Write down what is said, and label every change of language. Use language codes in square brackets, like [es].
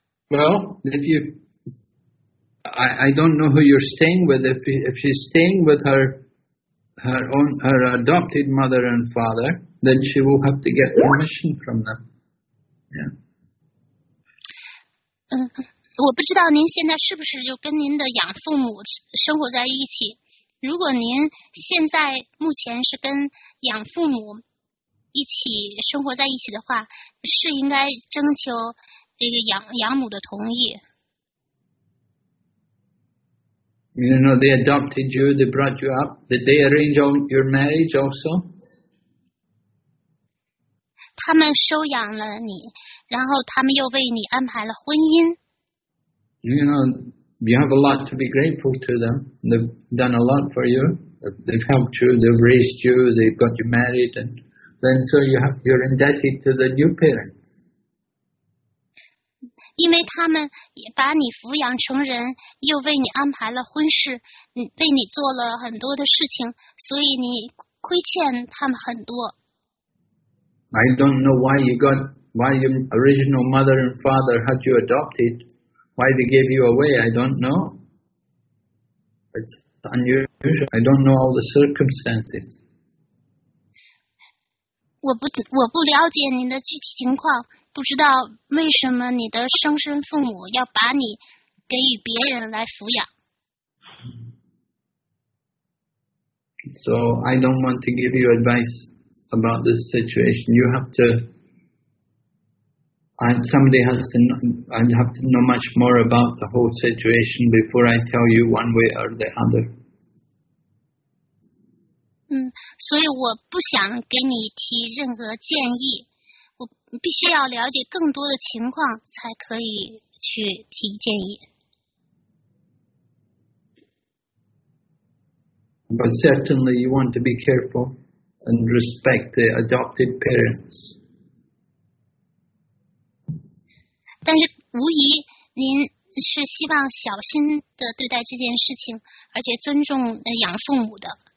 [en] Well, if you, I don't know who you're staying with. If she's staying with her adopted mother and father, then she will have to get permission from them. Yeah. [zh] 我不知道您现在是不是就跟您的养父母生活在一起。如果您现在目前是跟养父母一起生活在一起的话，是应该征求这个养母的同意。 [en] You know, they adopted you, they brought you up. Did they arrange all your marriage also? [zh] 他们收养了你，然后他们又为你安排了婚姻。 [en] You know,you have a lot to be grateful to them. They've done a lot for you. They've helped you, they've raised you, they've got you married, and then so you're indebted to the new parents. [zh] 因为他们把你抚养成人，又为你安排了婚事，为你做了很多的事情，所以你亏欠他们很多。 [en] I don't know why your original mother and father had you adopted. Why they gave you away, I don't know. It's unusual. I don't know all the circumstances. [zh] 我不了解您的具体情况，不知道为什么你的生身父母要把你给予别人来抚养。 [en] So I don't want to give you advice about this situation. You have to, and somebody has to, I have to know much more about the whole situation before I tell you one way or the other. [zh] 所以我不想给你提任何建议，我必须要了解更多的情况才可以去提建议。 [en] But certainly you want to be careful and respect the adopted parents. [zh] 但是无疑您是希望小心地对待这件事情，而且尊重养父母的。